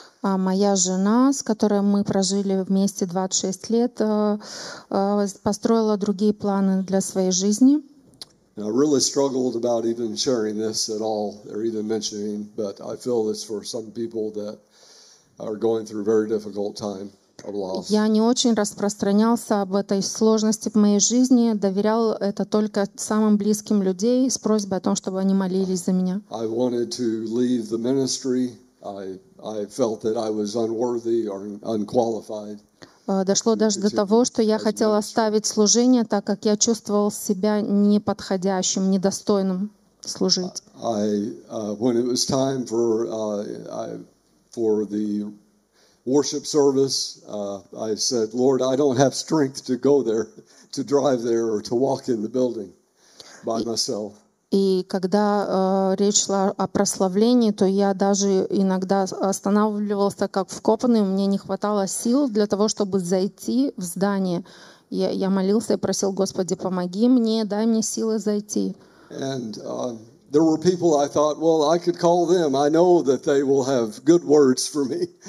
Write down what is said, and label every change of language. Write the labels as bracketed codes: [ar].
[ru] А моя жена, с которой мы прожили вместе 26 лет, построила другие планы для своей жизни. [en] And I really struggled about even sharing this at all or even mentioning, but I feel it's for some people that are going through a very difficult time. [ru] Я не очень распространялся об этой сложности в моей жизни, доверял это только самым близким людей с просьбой о том, чтобы они молились за меня. [en] I wanted to leave the ministry. I felt that I was unworthy or unqualified. [ru] Дошло даже до того, что я хотел оставить служение, так как я чувствовал себя неподходящим, недостойным служить. [en] When it was time for the worship service, I said, Lord, I don't have strength to go there, to drive there, or to walk in the building by myself. [ru] И когда речь шла о прославлении, то я даже иногда останавливался как вкопанный, мне не хватало сил для того, чтобы зайти в здание. Я молился и просил, Господи, помоги мне, дай мне силы зайти. [en] And there were people I thought, well, I could call them. I know that they will have good words for me.